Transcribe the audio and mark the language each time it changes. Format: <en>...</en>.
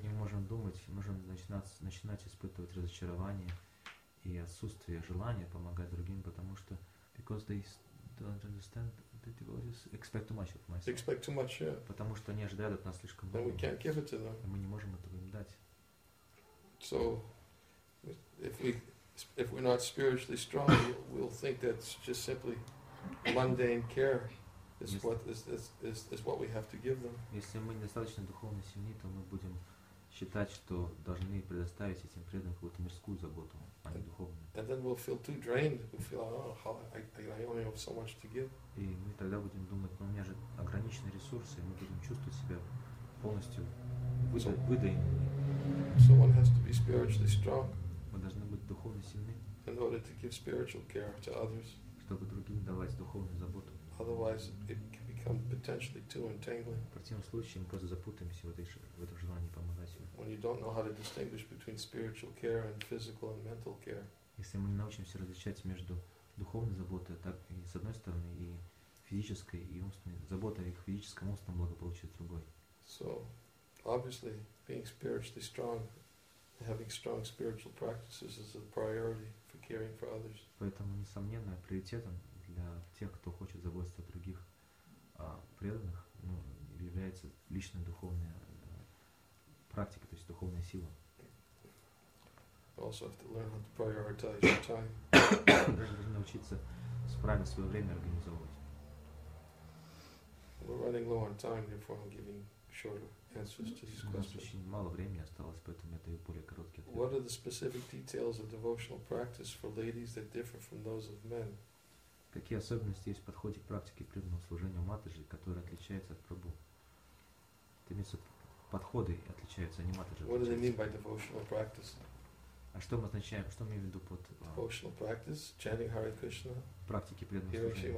<ru>Мы можем думать, можем начинать испытывать разочарование и отсутствие желания помогать другим, потому что</ru> <en>because they don't understand the devotees expect too much of myself. Expect too much, yeah.</en> <ru>Потому что они ожидают от нас слишком много.</ru> <en>Then we can't give it to them.</en> <ru>Мы не можем этого им дать.</ru> <en>So, if we're not spiritually strong, we'll think that's just simply mundane care. Is what we have to give them.</en> <ru>Если мы недостаточно духовно сильны, то мы будем считать, что должны предоставить этим преданным какую-то мирскую заботу, а не духовную.</ru> <en>And then we'll feel too drained. We'll feel, oh, I only have so much to give.</en> <ru>И мы тогда будем думать, ну у меня же ограниченные ресурсы, и мы будем чувствовать себя полностью выдаенными.</ru> <en>So one has to be spiritually strong.</en> <ru>Мы должны быть духовно сильны.</ru> <en>In order to give spiritual care to others.</en> <ru>Чтобы другим давать духовную заботу.</ru> <en>Otherwise, it can become potentially too entangling.</en> <ru>В противном случае мы просто запутаемся в этом желании помогать себе.</ru> <en>When you don't know how to distinguish between spiritual care and physical and mental care.</en> <ru>Если мы не научимся различать между духовной заботой, так и с одной стороны, и физической, и умственной заботой, и к физическому умственному благополучию другой.</ru> <en>So, obviously, being spiritually strong, having strong spiritual practices is a priority for caring for others.</en> <ru>Поэтому, несомненно, приоритетом для тех, кто хочет заботиться о других преданных, ну, является личная духовная практика, то есть духовная сила.</ru> <en>Also have to learn how to prioritize your time.</en> <ru>Даже нужно научиться правильно свое время организовывать.</ru> <en>We're running low on time, therefore I'm giving shorter answers to these questions.</en> <ru>У нас очень мало времени осталось, поэтому я даю более короткий ответ.</ru> <en>What are the specific details of devotional practice for ladies that differ from those of men?</en> <ru>Какие особенности есть в подходе к практике преданного служения матаджи, которые отличаются от прабу? Это имеется в виду подходы отличаются, а не матаджи.</ru> <en>What do they mean by devotional practice?</en> <ru>А что мы означаем? Что мы имеем в виду под</ru> <en>devotional practice, chanting Hare Krishna,</en> <ru>практики преданного служения,</ru>